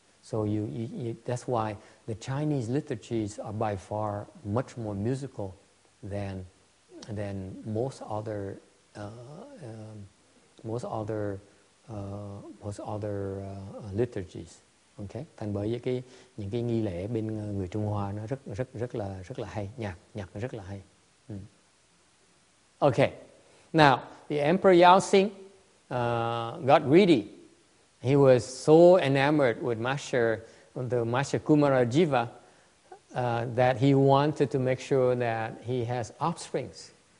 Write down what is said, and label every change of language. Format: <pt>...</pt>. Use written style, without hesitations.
<en>So you that's why the Chinese liturgies are by far much more musical than most other liturgies. Okay,</en> <vi>thành bởi vì những cái nghi lễ bên người Trung Hoa nó rất là hay, nhạc nó rất là hay.</vi> <en>Okay, now the Emperor Yao Xing got greedy. He was so enamored with the Master Kumara Jiva that he wanted to make sure that he has offsprings.</en>